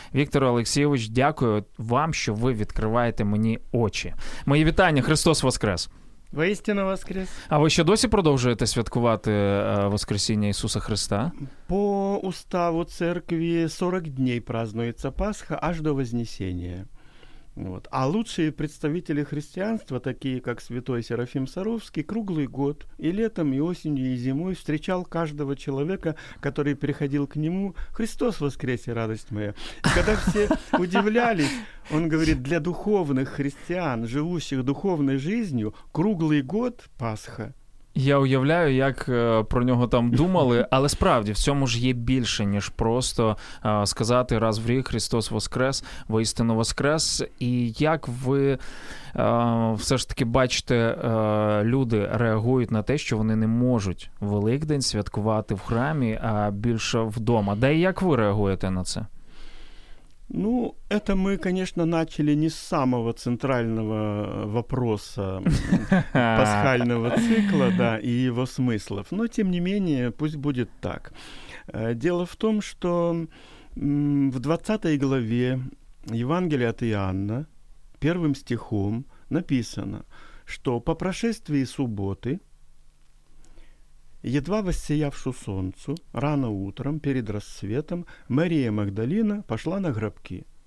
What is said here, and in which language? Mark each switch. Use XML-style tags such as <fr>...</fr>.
<uk>Віктор Олексійович, дякую вам, що ви відкриваєте мені очі. Мої вітання, Христос воскрес! Воістину воскрес! А ви ще досі продовжуєте святкувати воскресіння Ісуса Христа?</uk> <ru>По уставу церкви 40 днів празднується Пасха аж до Вознесення. Вот. А лучшие представители христианства, такие как святой Серафим Саровский, круглый год и летом, и осенью, и зимой встречал каждого человека, который приходил к нему: «Христос воскресе, радость моя!» И когда все удивлялись, он говорит: «Для духовных христиан, живущих духовной жизнью, круглый год Пасха</ru> <uk>Я уявляю, як про нього там думали, але справді, в цьому ж є більше, ніж просто сказати раз в рік «Христос воскрес, воістину воскрес». І як ви все ж таки бачите, люди реагують на те, що вони не можуть Великдень святкувати в храмі, а більше вдома? Де і як ви реагуєте на це?</uk> <ru>Ну, это мы, конечно, начали не с самого центрального вопроса пасхального цикла, да, и его смыслов, но, тем не менее, пусть будет так. Дело в том, что в 20 главе Евангелия от Иоанна первым стихом написано, что по прошествии субботы, едва воссиявшу солнцу, рано утром, перед рассветом, Мария Магдалина пошла на гробки.</ru>